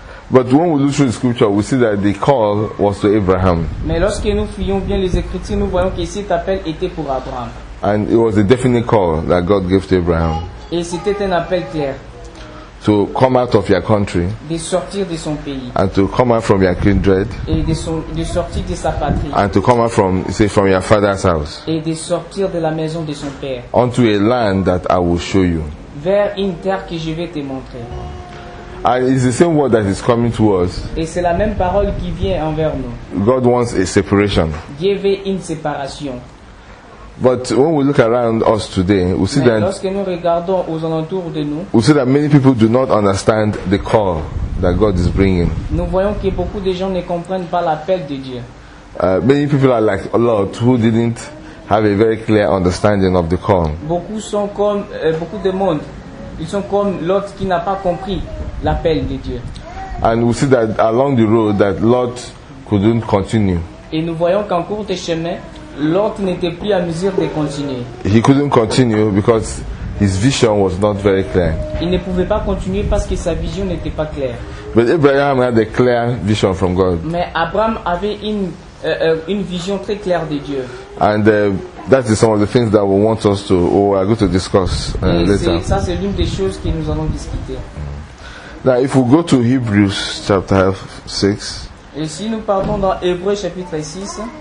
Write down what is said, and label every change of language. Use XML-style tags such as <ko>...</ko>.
<en>But when we look through the scripture, we see that the call was to Abraham.</en> <fr>Mais lorsque nous fuyons bien les écritures, nous voyons que cet appel était pour Abraham.</fr> <en>And it was a definite call that God gave to Abraham.</en> <fr>Et c'était un appel clair.</fr> <en>To come out of your country.</en> <fr>De sortir de son pays.</fr> <en>And to come out from your kindred.</en> <fr>Et de sortir de sa patrie.</fr> <en>And to come out from, say, from your father's house.</en> <fr>Et de sortir de la maison de son père.</fr> <en>Unto a land that I will show you.</en> <fr>Vers une terre que je vais te montrer.</fr> <en>And it's the same word that is coming to us.</en> <fr>Et c'est la même parole qui vient envers nous.</fr> <en>God wants a separation.</en> <fr>Dieu veut une séparation.</fr> <en>But when we look around us today, we see</en> <fr>Mais</fr> <en>that</en> <fr>lorsque nous regardons aux alentours de nous,</fr> <en>we see that many people do not understand the call that God is bringing.</en> <fr>Nous voyons que beaucoup de gens ne comprennent pas l'appel de Dieu.</fr> <en>Many people are like a lot who didn't have a very clear understanding of the call.</en> <fr>Beaucoup sont comme beaucoup de monde. Ils sont comme Lot qui n'a pas compris l'appel de Dieu.</fr> <en>And we see that along the road that Lot couldn't continue.</en> <fr>Et nous voyons qu'en cours de chemin, Lot n'était plus à mesure de continuer.</fr> <en>He couldn't continue because his vision was not very clear.</en> <fr>Il ne pouvait pas continuer parce que sa vision n'était pas claire.</fr> <en>But Abraham had a clear vision from God.</en> <fr>Mais Abraham avait une vision très claire de Dieu.</fr> <en>And that is some of the things that we want us to or are going to discuss later.</en> <fr>Ça c'est l'une des choses que nous allons discuter.</fr> <en>Now if we go to Hebrews chapter 6.</en> <fr>Et si nous partons dans Hébreux chapitre 6.</fr>